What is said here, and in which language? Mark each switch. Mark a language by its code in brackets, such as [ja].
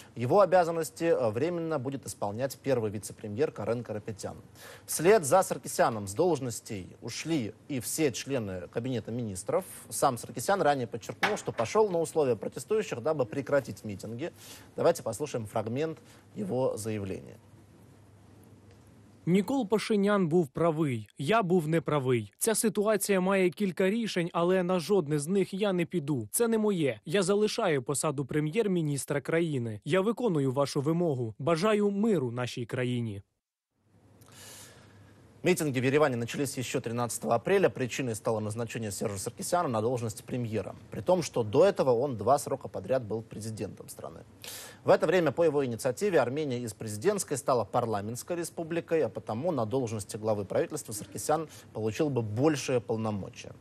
[ru] Его обязанности временно будет исполнять первый вице-премьер Карен Карапетян. Вслед за Саркисяном с должностей ушли и все члены кабинета министров. Сам Саркисян ранее подчеркнул, что пошел на условия протестующих, дабы прекратить митинги. Давайте послушаем фрагмент его заявления. [uk] Нікол Пашинян був правий. Я був неправий. Ця ситуація має кілька рішень, але на жодне з них я не піду. Це не моє. Я залишаю посаду прем'єр-міністра країни. Я виконую вашу вимогу. Бажаю миру нашій країні. [ru] Митинги в Ереване начались еще 13 апреля. Причиной стало назначение Сержа Саркисяна на должность премьера. При том, что до этого он два срока подряд был президентом страны. В это время по его инициативе Армения из президентской стала парламентской республикой, а потому на должности главы правительства Саркисян получил бы большие полномочия.